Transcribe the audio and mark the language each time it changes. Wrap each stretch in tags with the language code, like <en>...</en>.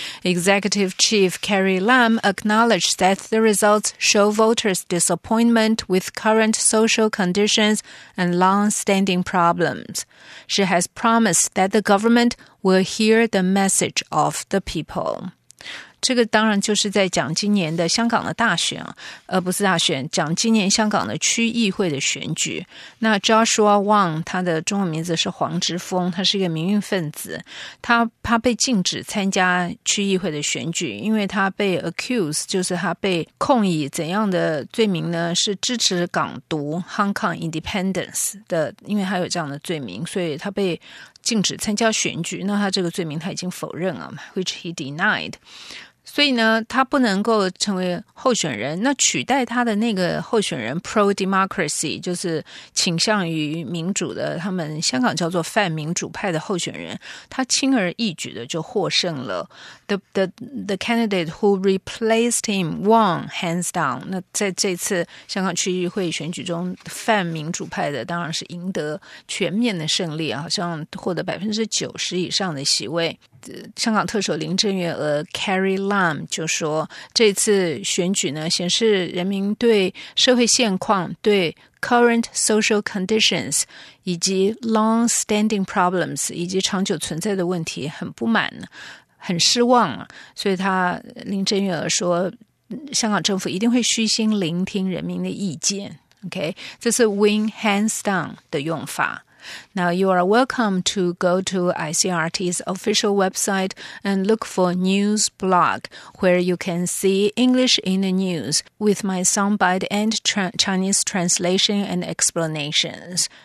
<en>Executive Chief Carrie Lam acknowledged that the results show voters' disappointment with current social conditions and long-standing problems. She has promised that the government will hear the message of the people.</en> <zh>这个当然就是在讲今年的香港的大选，而不是大选，讲今年香港的区议会的选举。那 Joshua Wong, 他的中文名字是黄之锋，他是一个民运分子。他被禁止参加区议会的选举，因为他被 accuse, 就是他被控以怎样的罪名呢？是支持港独</zh> <en>Hong Kong Independence</en> <zh>的，因为他有这样的罪名，所以他被禁止参加选举，那他这个罪名他已经否认了嘛 ，</zh> <en>which he denied。</en> <zh>所以呢，他不能够成为候选人。那取代他的那个候选人 ，</zh> <en>pro democracy，</en> <zh>就是倾向于民主的，他们香港叫做泛民主派的候选人，他轻而易举的就获胜了。</zh> <en>The candidate who replaced him won hands down。</en> <zh>那在这次香港区议会选举中，泛民主派的当然是赢得全面的胜利，好像获得90%以上的席位。香港特首林郑月娥 Carrie Lam 就说，这次选举呢，显示人民对社会现况、对</zh> <en>current social conditions</en> <zh>以及</zh> <en>long standing problems</en> <zh>以及长久存在的问题很不满、很失望。所以他林郑月娥说，香港政府一定会虚心聆听人民的意见。 OK， 这是</zh> <en>win hands down</en> <zh>的用法。</zh> <en>Now you are welcome to go to ICRT's official website and look for news blog where you can see English in the news with my soundbite and Chinese translation and explanations.</en>